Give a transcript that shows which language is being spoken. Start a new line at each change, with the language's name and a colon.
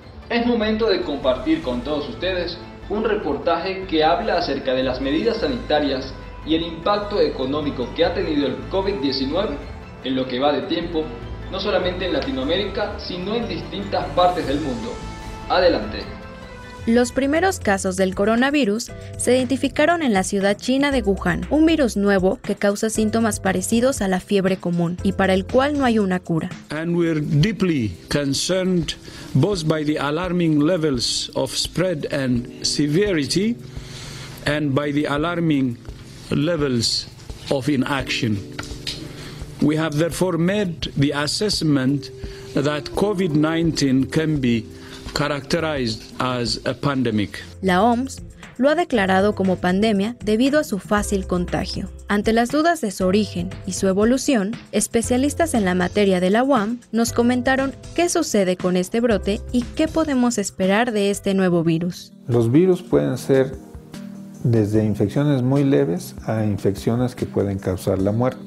Spanish: Es momento de compartir con todos ustedes un reportaje que habla acerca de las medidas sanitarias y el impacto económico que ha tenido el COVID-19 en lo que va de tiempo, no solamente en Latinoamérica, sino en distintas partes del mundo. Adelante. Los primeros casos del coronavirus se identificaron en la ciudad china de Wuhan, un virus nuevo que causa síntomas parecidos a la fiebre común y para el cual no hay una cura.
English: And we're deeply concerned both by the alarming levels of spread and severity and by the alarming levels of inaction. We have therefore made the assessment that COVID-19 can be characterized as a pandemic.
Spanish: La OMS lo ha declarado como pandemia debido a su fácil contagio. Ante las dudas de su origen y su evolución, especialistas en la materia de la UAM nos comentaron qué sucede con este brote y qué podemos esperar de este nuevo virus. Los virus pueden ser desde infecciones muy leves a infecciones que pueden causar la muerte.